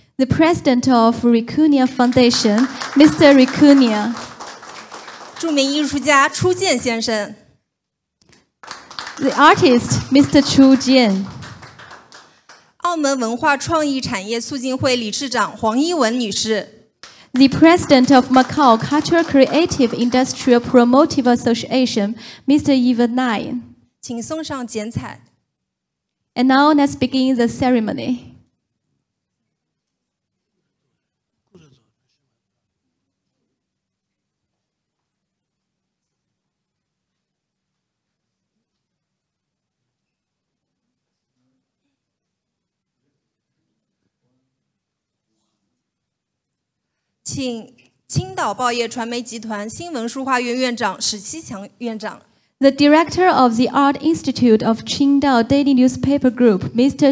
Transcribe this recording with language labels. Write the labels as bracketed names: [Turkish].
[English] The President of Ricunia Foundation, Mr. Ricunia. [Chinese] 著名艺术家初见先生。 [English] The artist, Mr. Chu Jian. [Chinese] 澳门文化创意产业促进会理事长黄一文女士。 [English] The President of Macau Cultural Creative Industrial Promotive Association, Mr. Yvan Nai. [Chinese] 请送上剪彩。 [English] And now let's begin the ceremony. [Chinese] 请青岛报业传媒集团新闻书画院院长史希强院长。 [English] The director of the Art Institute of Qingdao Daily Newspaper Group, Mr.